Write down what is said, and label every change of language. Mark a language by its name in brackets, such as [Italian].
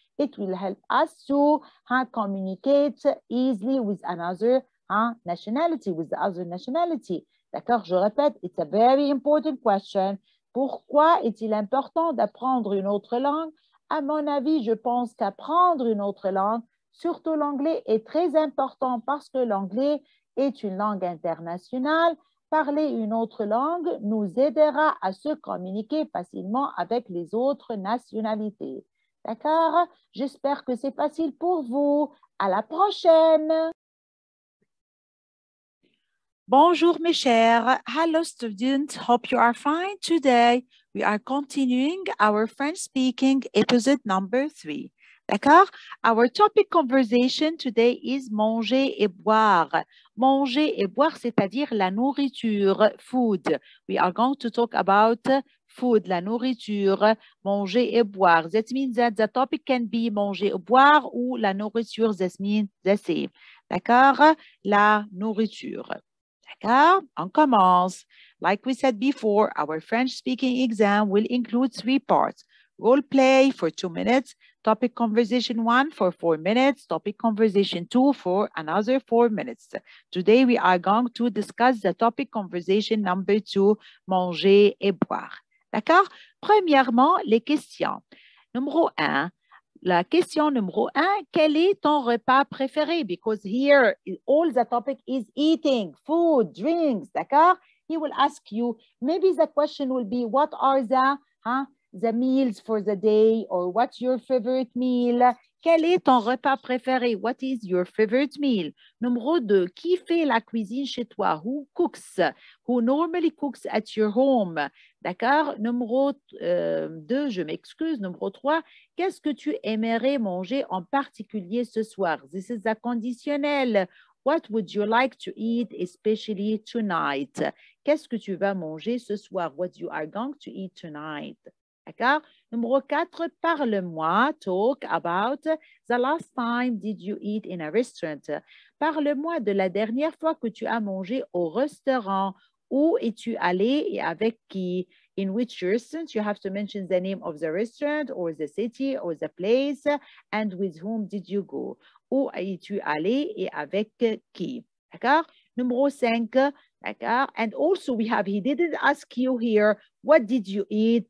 [English] It will help us to communicate easily with another nationality, with the other nationality. [French] D'accord, je répète, [English] it's a very important question. [French] Pourquoi est-il important d'apprendre une autre langue? À mon avis, je pense qu'apprendre une autre langue, surtout l'anglais, est très important parce que l'anglais est une langue internationale. Parler une autre langue nous aidera à se communiquer facilement avec les autres nationalités. D'accord? J'espère que c'est facile pour vous. À la prochaine! Bonjour mes chers. [English] Hello students. Hope you are fine today. We are continuing our French speaking episode number 3. [French] D'accord? [English] Our topic conversation today is manger et boire. [French] Manger et boire, c'est-à-dire la nourriture, food. [English] We are going to talk about food, [French] la nourriture, manger et boire. [English] That means that the topic can be [French] manger ou boire ou la nourriture, [English] that means the same. [French] D'accord? La nourriture. D'accord? On commence. [English] Like we said before, our French speaking exam will include 3 parts. Role play for 2 minutes, topic conversation 1 for 4 minutes, topic conversation 2 for another 4 minutes. Today we are going to discuss the topic conversation number 2, manger et boire. [French] D'accord? Premièrement, les questions. Numéro 1. La question numéro 1, quel est ton repas préféré? [English] Because here, all the topic is eating, food, drinks, [French] d'accord? [English] He will ask you, maybe the question will be, what are the meals for the day? Or what's your favorite meal? [French] Quel est ton repas préféré? [English] What is your favorite meal? [French] Numéro 2, qui fait la cuisine chez toi? [English] Who cooks? Who normally cooks at your home? [French] D'accord? Numéro 2, je m'excuse. Numéro 3, qu'est-ce que tu aimerais manger en particulier ce soir? [English] This is a conditionnel. What would you like to eat especially tonight? [French] Qu'est-ce que tu vas manger ce soir? [English] What you are going to eat tonight? [French] D'accord? Numéro 4, parle-moi, [English] talk about the last time did you eat in a restaurant. [French] Parle-moi de la dernière fois que tu as mangé au restaurant. Où es-tu allé et avec qui? [English] In which restaurant? You have to mention the name of the restaurant or the city or the place. And with whom did you go? [French] Où es-tu allé et avec qui? D'accord? Numéro 5, d'accord? [English] And also we have, he didn't ask you here, what did you eat?